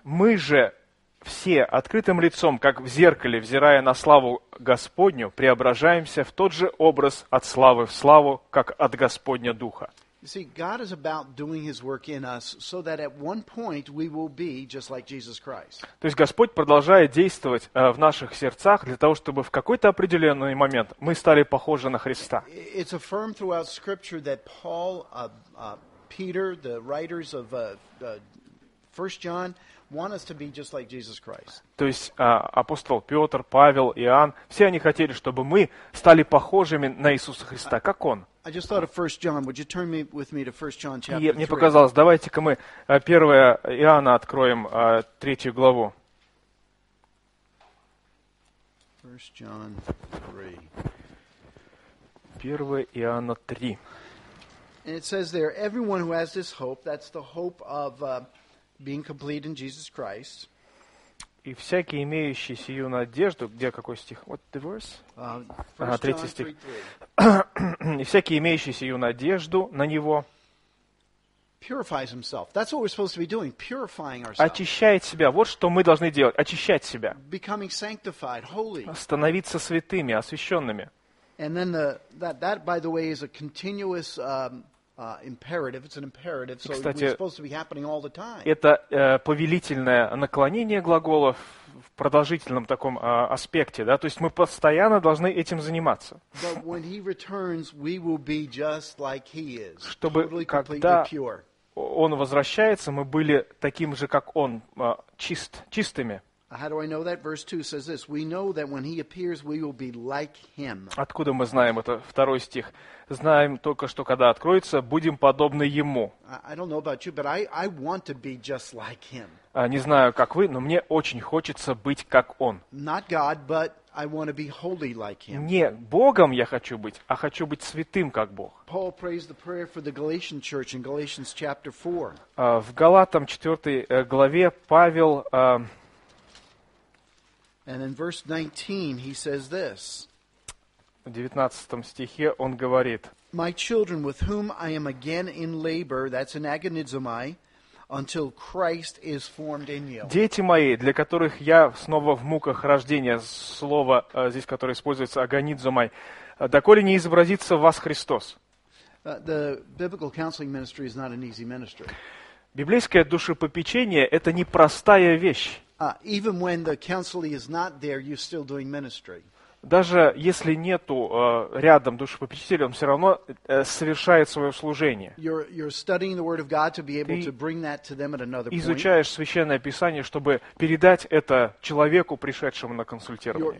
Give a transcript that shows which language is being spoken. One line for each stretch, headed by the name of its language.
Russian: Мы же все открытым лицом, как в зеркале, взирая на славу Господню, преображаемся в тот же образ от славы в славу, как от Господня Духа.
English: You see, God is about doing His work in us so that at one point we will be just like Jesus Christ.
Russian: То есть Господь продолжает действовать в наших сердцах для того, чтобы в какой-то определенный момент мы стали похожи на Христа.
English: It's affirmed throughout Scripture that Paul, Peter, the writers of 1 John, want us to be just like Jesus Christ.
Russian: То есть апостол Петр, Павел, Иоанн, все они хотели, чтобы мы стали похожими на Иисуса Христа, как Он.
English: I just thought of 1 John. Would you turn with me to 1 John chapter 3?
Russian: Мне показалось, давайте-ка мы 1 Иоанна откроем, 3 главу.
English: 1 John 3.
Russian: 1 Иоанна 3.
English: And it says there, everyone who has this hope, that's the hope of being complete in Jesus Christ.
Russian: И всякий, имеющий сию надежду, где какой стих?
English: What the verse?
Russian: Третий стих. И всякий, имеющий сию надежду на него,
English: purifies himself. That's what we're supposed to be doing, purifying ourselves.
Russian: Очищает себя. Вот что мы должны делать. Очищать себя.
English: Becoming sanctified, holy.
Russian: Становиться святыми, освященными.
English: And then that, by the way, is a continuous imperative. It's an imperative, so
Russian: кстати,
English: it's supposed to be happening all the time.
Russian: Это повелительное наклонение глагола в продолжительном таком аспекте, да? То есть мы постоянно должны этим заниматься.
English: But when he returns, we will be just like he is.
Russian: Чтобы
English: totally,
Russian: когда
English: pure.
Russian: Он возвращается, мы были таким же, как он, чистыми.
English: How do I know that? Verse 2 says this. We know that when he appears, we will be like him.
Russian: Откуда мы знаем это? Второй стих. Знаем только, что когда откроется, будем подобны ему.
English: I don't know about you, but I want to be just like him.
Russian: Не знаю, как вы, но мне очень хочется быть как он.
English: Not God, but I want to be holy like him.
Russian: Не Богом я хочу быть, а хочу быть святым, как Бог.
English: Paul prays the prayer for the Galatian church in Galatians chapter 4.
Russian: В Галатам 4 главе Павел...
English: And in verse 19, he says this.
Russian: В 19 стихе он говорит.
English: My children, with whom I am again in labor, that's an agonizomai, until Christ is formed in you.
Russian: Дети мои, для которых я снова в муках рождения, слово здесь, которое используется, агонидзомай, доколе не изобразится в вас Христос.
English: The biblical counseling ministry is not an easy ministry.
Russian: Библейское душепопечение – это непростая вещь.
English: Even when the counselor is not there, you're still doing ministry.
Russian: Даже если нету рядом душепопечителя, он все равно совершает свое служение.
English: You're studying the word of God to be able to bring that to them at another point.
Russian: Изучаешь священное писание, чтобы передать это человеку, пришедшему на консультирование.